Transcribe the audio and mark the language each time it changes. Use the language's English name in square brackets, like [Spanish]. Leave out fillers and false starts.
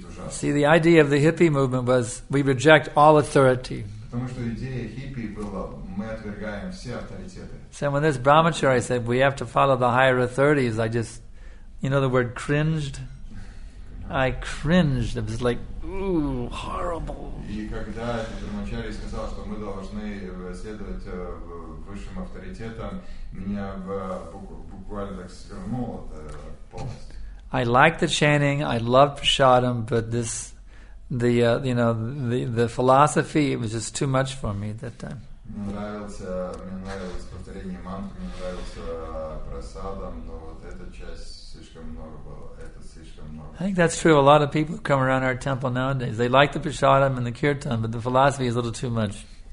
[English] See, the idea of the hippie movement was, we reject all authority. So when this Brahmachari said, we have to follow the higher authorities, I just, you know the word cringed? I cringed. It was like, ooh, horrible. [Russian] И когда Брамачари сказал, что мы должны следовать высшим авторитетам, меня буквально так свернуло полностью. [English] I liked the chanting. I loved prasadam, but this, the philosophy, it was just too much for me at that time. [Russian] Мне нравилось повторение мантры, мне нравился прасадам, но вот эта часть слишком много была. [English] I think that's true of a lot of people who come around our temple nowadays. They like the prasadam and the kirtan, but the philosophy is a little too much.